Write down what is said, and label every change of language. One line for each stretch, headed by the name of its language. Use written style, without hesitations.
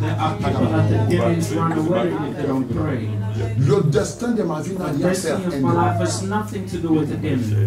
English: There are people that the demons run away if they don't pray.
French: Le destin de ma vie n'a rien à faire avec lui.
English: My life has nothing to do with him.